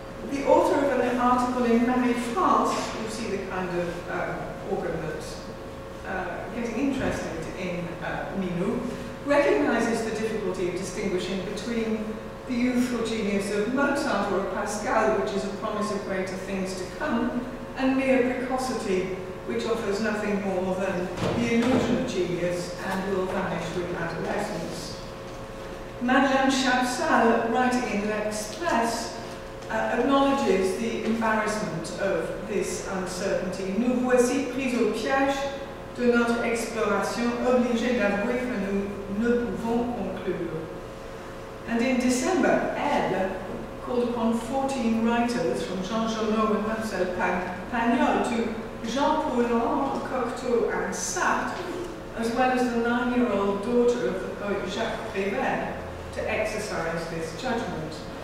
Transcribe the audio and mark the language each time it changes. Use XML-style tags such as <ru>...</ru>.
<en>The author of an article in Marie France, you see the kind of organ that's getting interested in Minou, recognizes the difficulty of distinguishing between the youthful genius of Mozart or of Pascal, which is a promise of greater things to come, and mere precocity, which offers nothing more than the illusion of genius and will vanish with adolescence. Madeleine Chapsal, writing in L'Express, acknowledges the embarrassment of this uncertainty.</en> <fr>Nous voici pris au piège de notre exploration, obligés d'avouer que nous ne pouvons conclure.</fr> <en>And in December, Elle called upon 14 writers, from Jean Genot and Marcel Pagnol to Jean Poulenc, Cocteau, and Sartre, as well as the 9-year-old daughter of the poet Jacques Prévert, to exercise this judgment.</en>